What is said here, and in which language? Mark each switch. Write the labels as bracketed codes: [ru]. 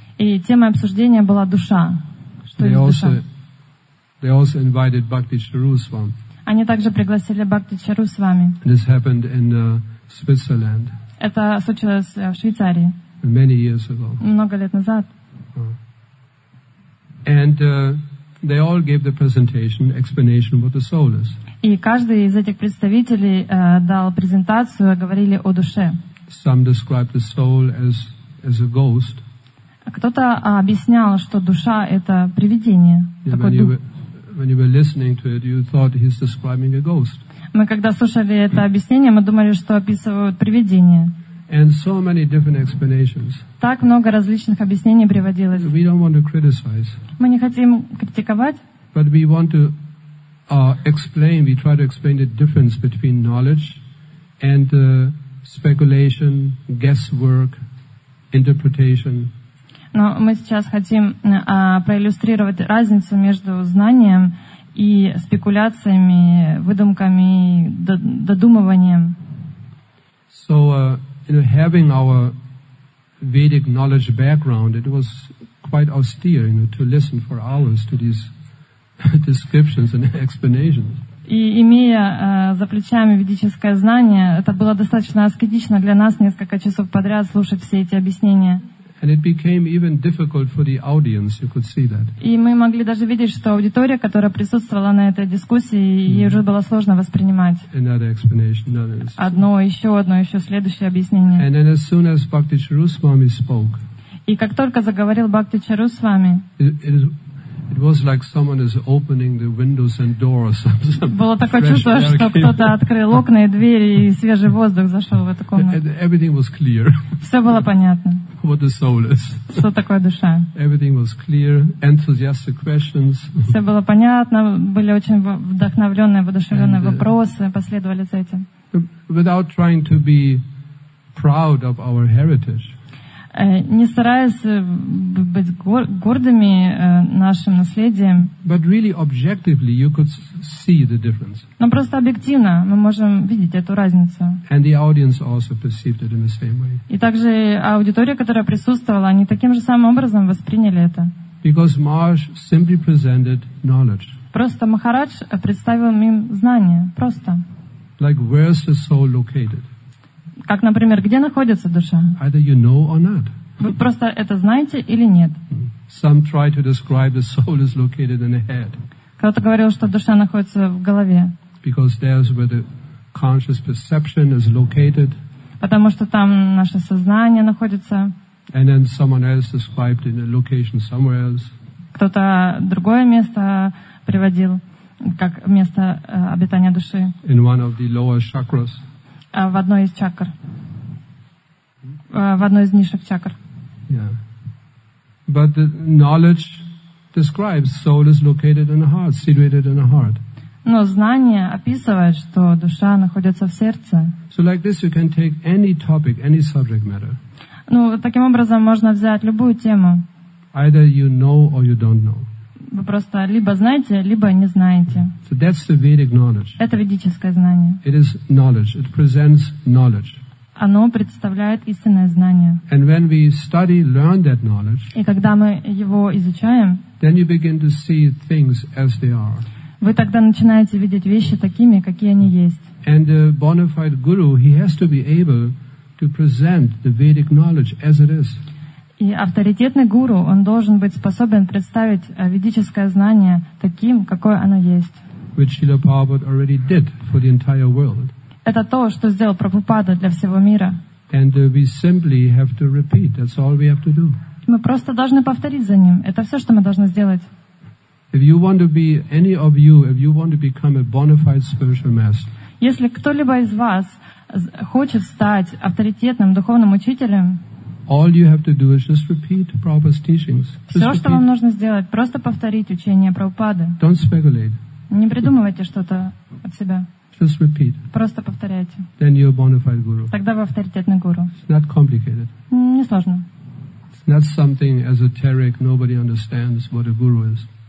[ru] И тема обсуждения была душа. Что есть душа? [en] They also invited Bhakti Charu Swami. [ru] Они также пригласили Бхакти Чару с вами. [en] This happened in Switzerland. [ru] Это случилось в Швейцарии. [en] Many years ago. [ru] Много лет назад. [en] And they all gave the presentation, explanation of what the soul is. [ru] И каждый из этих представителей дал презентацию, говорили о душе. [en] Some described the soul as a ghost. [ru] Кто-то объяснял, что душа это привидение, такой дух. [en] When you were listening to it, you thought he's describing a ghost. [ru] Мы когда слушали это объяснение, мы думали, что описывают привидение. [en] And so many different explanations. [ru] Так много различных объяснений приводилось. [en] We don't want to criticize. [ru] Мы не хотим критиковать. [en] But we want to explain. We try to explain the difference between knowledge and speculation, guesswork, interpretation. [ru] Но мы сейчас хотим проиллюстрировать разницу между знанием и спекуляциями, выдумками, додумыванием. [en] So having our Vedic knowledge background, it was quite austere, to listen for hours to these descriptions and explanations. [ru] И имея за плечами ведическое знание, это было достаточно аскетично для нас несколько часов подряд слушать все эти объяснения. [en] And it became even difficult for the audience. You could see that. [ru] И мы могли даже видеть, что аудитория, которая присутствовала на этой дискуссии, ей уже было сложно воспринимать. [en] Another explanation. Another explanation. [ru] Одно еще следующее объяснение. [en] And then as soon as Bhakti Charu Swami spoke. [ru] И как только заговорил Бхакти Чару с вами. [en] It was like someone is opening the windows and doors. [ru] Было такое чувство, что кто-то открыл окна и двери, и свежий воздух зашел в эту комнату. [en] Everything was clear. [ru] Все было понятно. [en] What the soul is. [ru] Что такое душа? [en] Everything was clear. Enthusiastic questions. [ru] Все было понятно. Были очень вдохновленные, воодушевленные вопросы. Последовали за этим. [en] without trying to be proud of our heritage. [ru] Не стараясь быть гордыми нашим наследием. [en] But really objectively you could see the difference. [ru] Но просто объективно мы можем видеть эту разницу. [en] And the audience also perceived it in the same way. [ru] И также аудитория, которая присутствовала, они таким же самым образом восприняли это. [en] Because Maharaj simply presented knowledge. [ru] Просто Махарадж представил им знания, просто. [en] Like where is the soul located? [ru] Как, например, где находится душа? [en] Either you know or not. [ru] Вы просто это знаете или нет? [en] Some try to describe the soul is located in the head. [ru] Кто-то говорил, что душа находится в голове. [en] Because there's where the conscious perception is located. [ru] Потому что там наше сознание находится. [en] And then someone else described in a location somewhere else. [ru] Кто-то другое место приводил как место обитания души. [en] In one of the lower chakras. [ru] В одной из чакр. В одной из нишек чакр. [en] Yeah. But the knowledge describes soul is located in the heart, situated in the heart. [ru] Но знание описывает, что душа находится в сердце. [en] So like this you can take any topic, any subject matter. [ru] Ну, таким образом можно взять любую тему. [en] Either you know or you don't know. [ru] Вы просто либо знаете, либо не знаете. [en] So that's the Vedic knowledge. [ru] Это ведическое знание. [en] It is knowledge. It presents knowledge. [ru] Оно представляет истинное знание. [en] And when we study, learn that knowledge, [ru] и когда мы его изучаем, [en] then you begin to see things as they are. [ru] Вы тогда начинаете видеть вещи такими, какие они есть. [en] And a bona fide guru, he has to be able to present the Vedic knowledge as it is. [ru] И авторитетный гуру, он должен быть способен представить ведическое знание таким, какое оно есть. [en] Which Srila Prabhupada already did for the entire world. [ru] Это то, что сделал Прабхупада для всего мира. [en] And we simply have to repeat. That's all we have to do. [ru] Мы просто должны повторить за ним. Это все, что мы должны сделать. [en] If you want to be any of you, if you want to become a bona fide spiritual master. [ru] Если кто-либо из вас хочет стать авторитетным духовным учителем. [en] All you have to do is just repeat Prabhupada's teachings. [ru] Все, что вам нужно сделать, просто повторить учение Прабхупады. [en] Don't speculate. [ru] Не придумывайте что-то от себя. [en] Just repeat. [ru] Просто повторяйте. [en] Then you're a bona fide guru. [ru] Тогда вы авторитетный гуру. [en] It's not complicated. [ru] Не сложно. [en] It's not something esoteric. Nobody understands what a guru is.